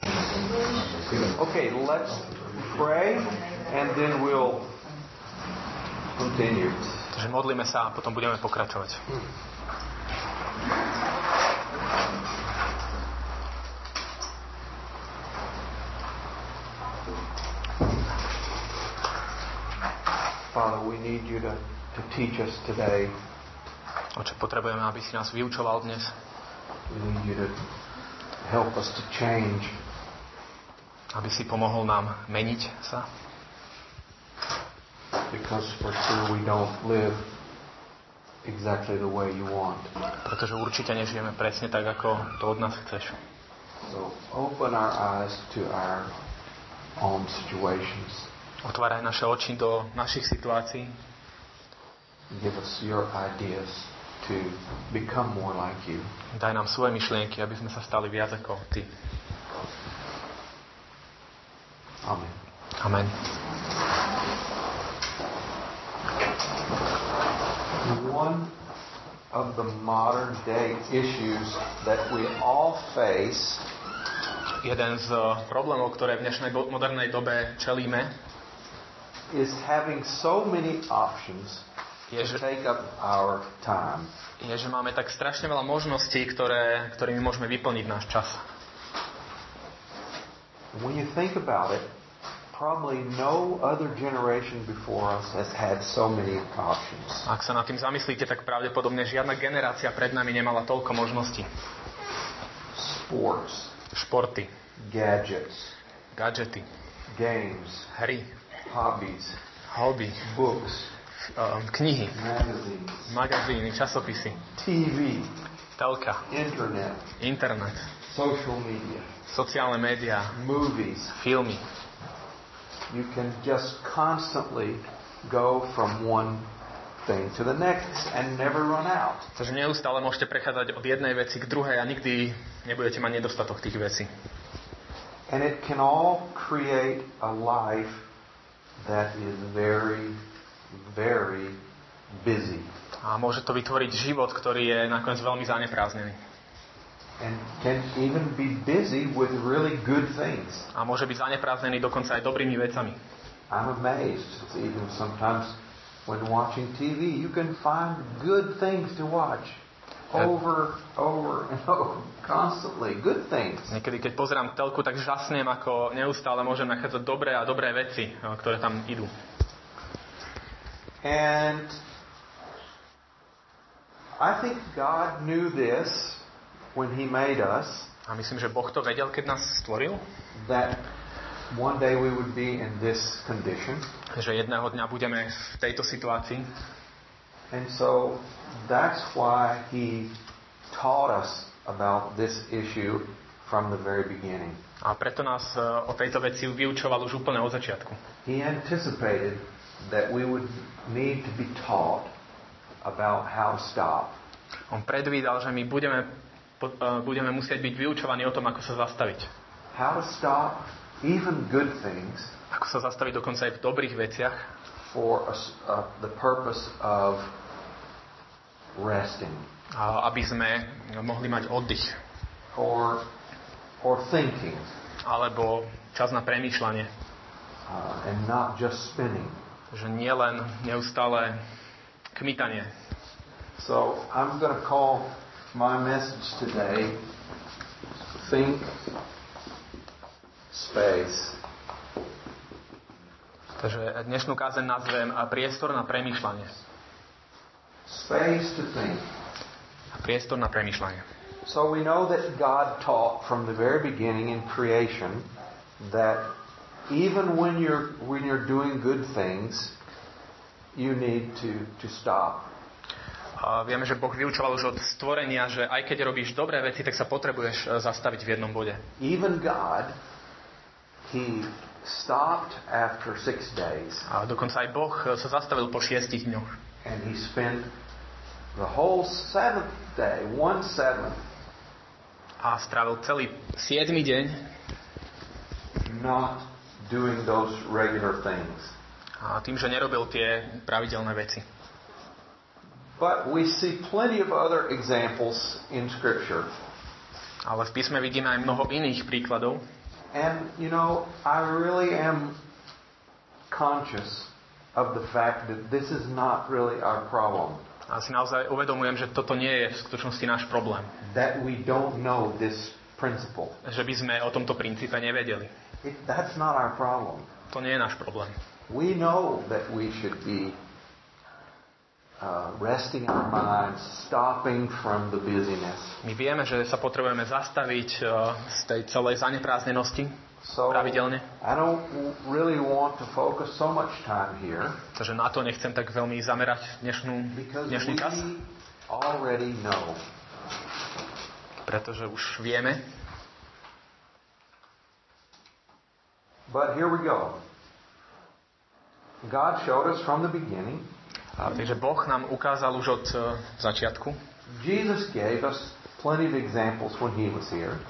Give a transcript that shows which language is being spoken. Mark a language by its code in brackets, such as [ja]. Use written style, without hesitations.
[en] Okay, let's pray and then we'll continue. [sk] Takže modlíme sa a potom budeme pokračovať. [en] Father, we need you to teach us today. [sk] Oče, potrebujeme, aby si nás vyučoval dnes. [en] We need you to help us to change. [sk] Aby si pomohol nám meniť sa. [en] Because for sure we don't live exactly the way you want. [sk] Pretože určite nežijeme presne tak, ako to od nás chceš. [en] So open our eyes to our own situations. [sk] Otváraj naše oči do našich situácií. [en] Give us your ideas to become more like you. [sk] Daj nám svoje myšlienky, aby sme sa stali viac ako ty. [en] Amen. [sk] Amen. [en] One of the modern day issues that we all face. [sk] Jeden z problémov, ktoré v dnešnej modernej dobe čelíme, [en] is having so many options to take up our time. [sk] Je, že máme tak strašne veľa možností, ktorými môžeme vyplniť náš čas. [en] When you think about it, probably no other generation before us has had so many options. [sk] Ak sa nad tým zamyslíte, tak pravdepodobne žiadna generácia pred nami nemala toľko možností. [en] Sports. [sk] Športy. [en] Gadgets. [sk] Gadgety. [en] Games. [sk] Hry. [en] Hobbies. [sk] Hobby. [en] Books. [sk] Knihy. [en] Magazines. [sk] Magazíny, časopisy. [en] TV. [sk] Telka. [en] Internet. [sk] Internet. [en] Social media. [sk] Sociálne médiá. [en] Movies. [sk] Filmy. [en] You can just constantly go from one thing to the next and never run out. [sk] Takže neustále môžete prechádzať od jednej veci k druhej a nikdy nebudete mať nedostatok tých vecí. [en] And it can all create a life that is very, very busy. [sk] A môže to vytvoriť život, ktorý je nakoniec veľmi zaneprázdnený. [en] And can even be busy with really good things. [sk] A môže byť zaneprázdnený dokonca aj dobrými vecami. [en] I'm amazed even sometimes when watching TV you can find good things to watch over and over constantly good things. [sk] Niekedy keď pozerám telku, tak žasnem, ako neustále môžem nachádzať dobré a dobré veci, ktoré tam idú. [en] And I think God knew this when he made us. [sk] A myslím, že Boh to vedel, keď nás stvoril. [en] That one day we would be in this condition. [sk] Že jedného dňa budeme v tejto situácii. [en] And so that's why he taught us about this issue from the very beginning. [sk] A preto nás o tejto veci vyučoval už úplne od začiatku. [en] He anticipated that we would need to be taught about how to stop. [sk] On predvídal, že my budeme musieť byť vyučovaní o tom, ako sa zastaviť. [en] How to stop even good things. [sk] Ako sa zastaviť dokonca aj v dobrých veciach. [en] For the purpose of resting. [sk] Aby sme mohli mať oddych. [en] Or thinking. [sk] Alebo čas na premýšľanie. [en] And not just spinning. [sk] Že nie len neustále kmitanie. [en] So I'm going to call my message today think space. [sk] Takže dnešnú kázeň nazvem a priestor na premýšľanie. [en] Space to think. [sk] A priestor na premýšľanie. [en] So we know that God taught from the very beginning in creation that even when you're doing good things you need to stop. [sk] A vieme, že Boh vyučoval už od stvorenia, že aj keď robíš dobré veci, tak sa potrebuješ zastaviť v jednom bode. [en] Even God, he stopped after 6 days. [sk] A dokonca aj Boh sa zastavil po 6 dňoch. [en] And he spent the whole 7th day, 1/7. [sk] A strávil celý 7. deň [en] not doing those regular things. [sk] A tým, že nerobil tie pravidelné veci. [en] But we see plenty of other examples in scripture. [sk] Ale v písme vidíme aj mnoho iných príkladov. [en] And you know, I really am conscious of the fact that this is not really our problem. [sk] A si naozaj uvedomujem, že toto nie je v skutočnosti náš problém. [en] That we don't know this principle. [sk] Že by sme o tomto princípe nevedeli. [en] That's not our problem. [sk] To nie je náš problém. [en] We know that we should be resting our minds, stopping from the busyness. [sk] My vieme, že sa potrebujeme zastaviť z tej celej zanepráznenosti pravidelne. [en] I don't really want to focus so much time here. [sk] Takže na to nechcem tak veľmi zamerať dnešný čas. [en] Already know. [sk] Pretože už vieme. [en] But here we go. God showed us from the beginning. [sk] Takže Boh nám ukázal už od začiatku. [en] Jesus gave us plenty of examples when he was here.